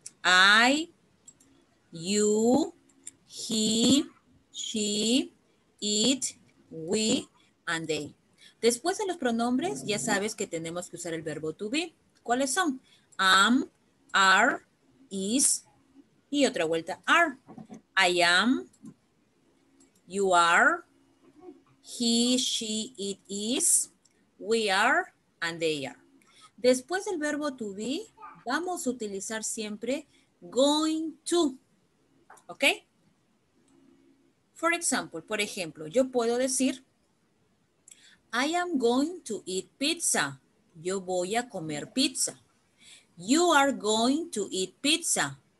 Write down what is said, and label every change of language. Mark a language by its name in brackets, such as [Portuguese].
[English] I, you, he, she, it, we, and they. [Spanish] Después de los pronombres, ya sabes que tenemos que usar el verbo to be. ¿Cuáles son? Am, are, is, y otra vuelta, are. [English] I am, you are, he, she, it is, we are, and they are. [Spanish] Después del verbo to be, vamos a utilizar siempre going to. ¿Ok? [English] For example, [Spanish] por ejemplo, yo puedo decir, [English] I am going to eat pizza. [Spanish] Yo voy a comer pizza. [English] You are going to eat pizza.